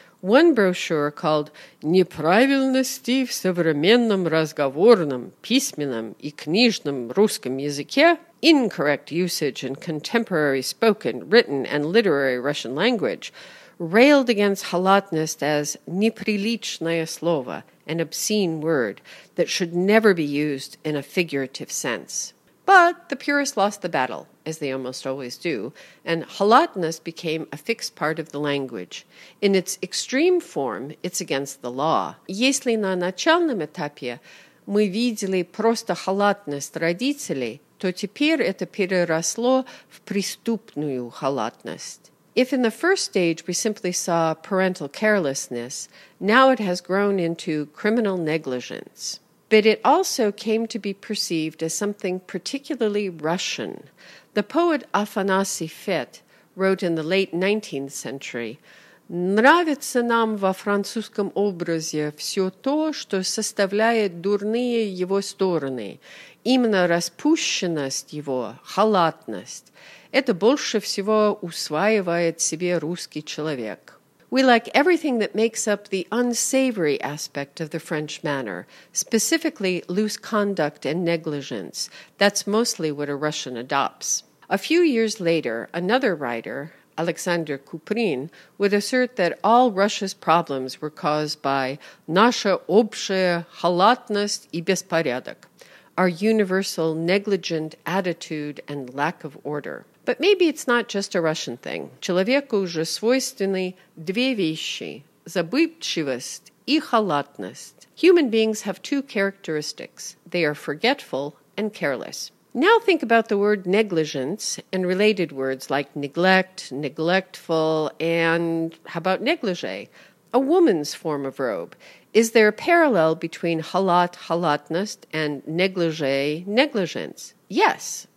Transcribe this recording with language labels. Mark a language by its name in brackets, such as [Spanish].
[English] One brochure called [Russian] «Неправильности в современном разговорном, письменном и книжном русском языке» [English] — «Incorrect Usage in Contemporary Spoken, Written, and Literary Russian Language» — railed against халатность as [Russian] «неприличное слово», [English] an obscene word that should never be used in a figurative sense. But the purists lost the battle, as they almost always do, and халатность became a fixed part of the language. In its extreme form, it's against the law. Если на начальном этапе мы видели просто халатность родителей, то теперь это переросло в преступную халатность. If in the first stage we simply saw parental carelessness, now it has grown into criminal negligence. But it also came to be perceived as something particularly Russian. The poet Афанасий Фет wrote in the late 19th century, [Russian] «Нравится нам во французском образе все то, что составляет дурные его стороны, именно распущенность его, халатность». Это больше всего усваивает себе русский человек. [English] We like everything that makes up the unsavory aspect of the French manner, specifically loose conduct and negligence. That's mostly what a Russian adopts. A few years later, another writer, Alexander Kuprin, would assert that all Russia's problems were caused by [Russian] наша общая халатность и беспорядок, [English] our universal negligent attitude and lack of order. But maybe it's not just a Russian thing. [Russian] Человеку же свойственны две вещи – забывчивость и халатность. [English] Human beings have two characteristics. They are forgetful and careless. Now think about the word negligence and related words like neglect, neglectful, and how about negligee? A woman's form of robe. Is there a parallel between халат, халатность, and negligee, negligence? Yes.